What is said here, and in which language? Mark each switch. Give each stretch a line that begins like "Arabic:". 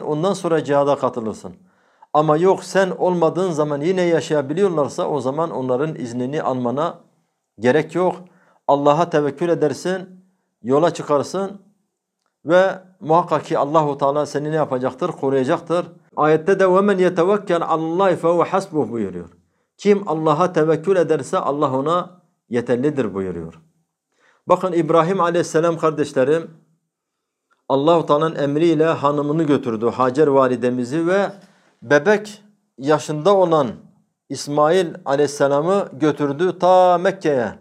Turkish: Ondan sonra cihada katılırsın. Ama yok sen olmadığın zaman yine yaşayabiliyorlarsa o zaman onların iznini almana gerek yok. Allah'a tevekkül edersin, yola çıkarsın. Ve muhakkak ki Allah-u Teala seni ne yapacaktır? Koruyacaktır. Ayette de
Arabic: وَمَنْ يَتَوَكَّلْ عَلَى اللّٰهِ فَهُوَ حَسْبُهُ
Turkish: buyuruyor. Kim Allah'a tevekkül ederse Allah ona yeterlidir buyuruyor. Bakın İbrahim aleyhisselam kardeşlerim Allah-u Teala'nın emriyle hanımını götürdü, Hacer validemizi ve bebek yaşında olan İsmail aleyhisselamı götürdü ta Mekke'ye.